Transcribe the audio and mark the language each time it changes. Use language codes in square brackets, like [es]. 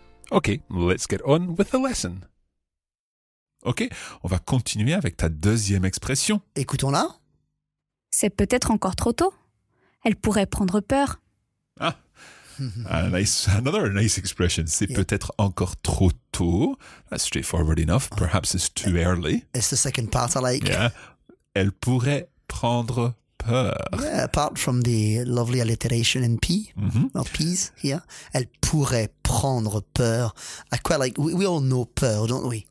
[en] Ok, let's get on with the lesson. [fr] Ok, on va continuer avec ta deuxième expression. Écoutons-la. C'est peut-être encore trop tôt. Elle pourrait prendre peur. [en] Ah, another nice expression. [fr] C'est yeah. peut-être encore trop tôt. [en] That's straightforward enough. Perhaps it's too early. It's the second part I like. Yeah. [fr] Elle pourrait prendre peur. [en] Yeah, apart from the lovely alliteration in P, mm-hmm. or P's here, [fr] elle pourrait prendre peur. [en] I quite like, we all know peur, don't we?